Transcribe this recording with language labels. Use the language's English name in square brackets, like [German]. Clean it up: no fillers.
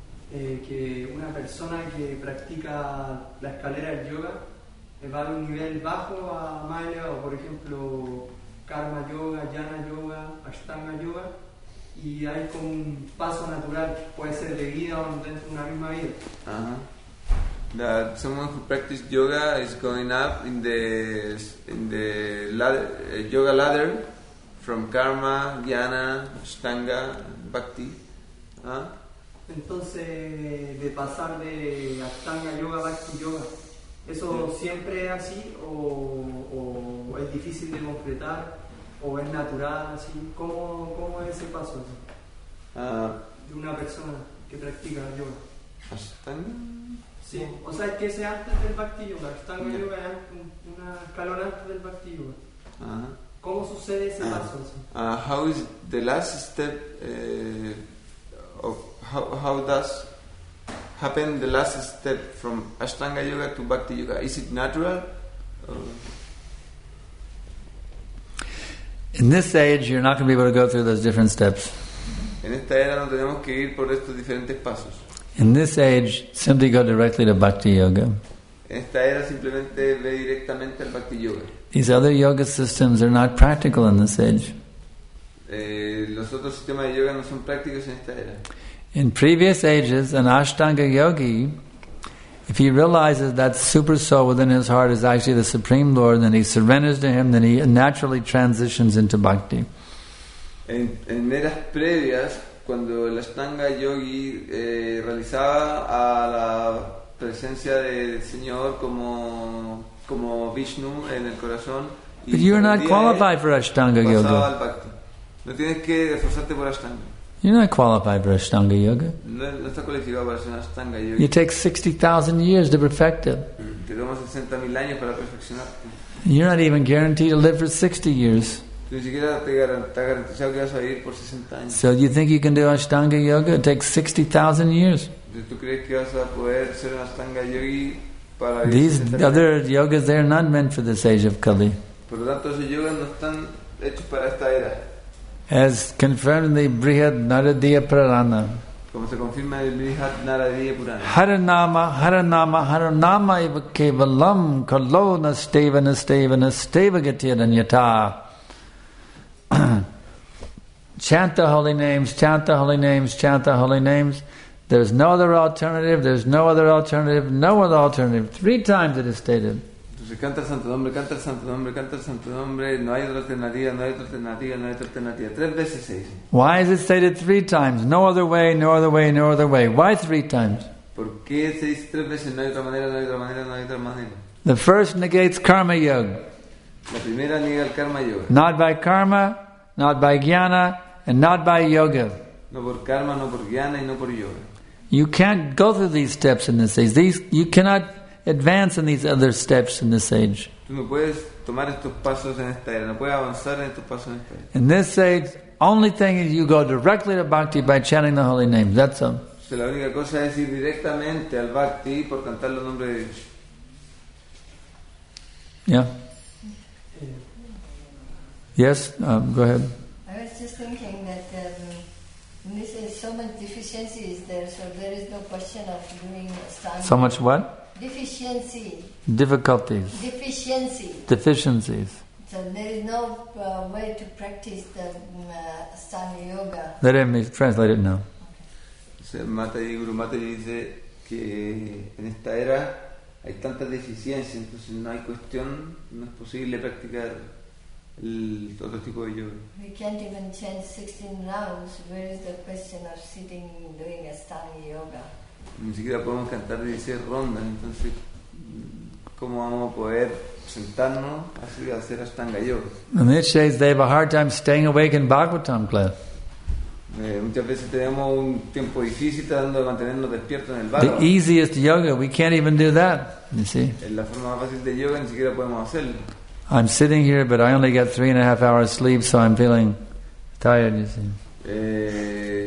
[Spanish] Que una persona que practica la escalera del yoga va a un nivel bajo a Maya, o por ejemplo Karma Yoga, Jnana Yoga, Ashtanga Yoga, y hay como un paso natural, puede ser de vida o dentro de una misma vida. [English] That someone who practices yoga is going up in the ladder, yoga ladder, from karma, jnana, ashtanga, bhakti. [Spanish] Entonces, de pasar de Ashtanga Yoga a Bhakti Yoga, ¿eso siempre es así o es difícil de concretar o es natural? Así, ¿cómo es ese paso así, de una persona que practica yoga? ¿Ashtanga? Sí, o sea, ¿qué es antes del Bhakti Yoga? Ashtanga Yoga es un escalón antes del Bhakti Yoga. ¿Cómo sucede ese paso así? [English] How is the last step of how does happen the last step from Ashtanga Yoga to Bhakti Yoga? Is it natural? In this age, you're not going to be able to go through those different steps. [Spanish] En esta era no tenemos que ir por estos diferentes pasos. [English] In this age, simply go directly to Bhakti Yoga. [Spanish] En esta era simplemente ve directamente al Bhakti Yoga. [English] These other yoga systems are not practical in this age. [Spanish] Los otros sistemas de yoga no son prácticos en esta era. [English] In previous ages, an Ashtanga yogi, if he realizes that super soul within his heart is actually the Supreme Lord, then he surrenders to him, then he naturally transitions into bhakti. [Spanish] En eras previas, cuando el Ashtanga yogi realizaba a la presencia del Señor como Vishnu en el corazón, [English] but you are not qualified for Ashtanga yoga. [Spanish] No tienes que esforzarte por Ashtanga. [English] You're not qualified for Ashtanga Yoga. [Spanish] No está cualificado para hacer Ashtanga Yoga. [English] You take 60,000 years to perfect it. [Spanish] Te toma 60,000 años para perfeccionar. [English] You're not even guaranteed to live for 60 years. [Spanish] Ni siquiera te garantizado que vas a vivir por 60 años. [English] So you think you can do Ashtanga Yoga? It takes 60,000 years. [Spanish] ¿Tú crees que vas a poder ser un Ashtanga Yogi para vivir? [English] These other yogas, they are not meant for this age of Kali. [Spanish] Por lo tanto, esos yogas no están hechos para esta era. [English] As confirmed in the Brihad Naradiya Purana. [Spanish] Como se confirma el Brihad Naradiya Purana. [Sanskrit] Haranama, Haranama, Haranama eva kevalam kalo nasteva nasteva nasteva gatiranyata. [English] Chant the holy names, chant the holy names, chant the holy names. There's no other alternative, there's no other alternative, no other alternative. Three times it is stated. [Spanish] Canta el santo nombre, canta el santo nombre, canta el santo nombre. No hay otra alternativa, no hay otra alternativa, no hay otra alternativa. Tres veces se dice. [English] Why is it stated three times? No other way, no other way, no other way. Why three times? [Spanish] ¿Por qué se dice tres veces? No hay otra manera, no hay otra manera, no hay otra manera. [English] The first negates karma yoga. [Spanish] La primera niega el karma yoga. [English] Not by karma, not by jnana, and not by yoga. [Spanish] No por karma, no por jnana y no por yoga. [English] You can't go through these steps in this age. These you cannot advance in these other steps in this age. [Spanish] Tú no puedes tomar estos pasos en esta era. No puedes avanzar en estos pasos en esta era. [English] In this age, only thing is you go directly to bhakti by chanting the holy names. That's all. [Spanish] Si la única cosa es ir directamente al bhakti por cantar los nombres de Dios. [English] Yeah. Yes. Go ahead. I was just thinking that in this age, so much deficiency is there, so there is no question of doing Ashtanga. So much what? Deficiency. Difficulties. Deficiency. Deficiencies. So there is no way to practice the Ashtanga Yoga. Let him translate it now. [Spanish] Mataji, Guru Mataji dice que en esta era hay tanta deficiencia, entonces no hay cuestión, no es posible practicar el otro tipo de yoga. [English] We can't even chant 16 rounds. Where is the question of sitting doing Ashtanga Yoga? [Spanish] Ni siquiera podemos cantar 16 rondas, entonces, ¿cómo vamos a poder sentarnos a hacer Ashtanga Yoga? [English] In these days, they have a hard time staying awake in Bhagavatam class. [Spanish] Muchas veces tenemos un tiempo difícil tratando de mantenernos despiertos en el Bhagavatam. [English] The easiest yoga, we can't even do that, you see. [Spanish] En la forma más fácil de yoga, ni siquiera podemos hacerlo. [English] I'm sitting here, but I only get 3.5 hours sleep, so I'm feeling tired, you see.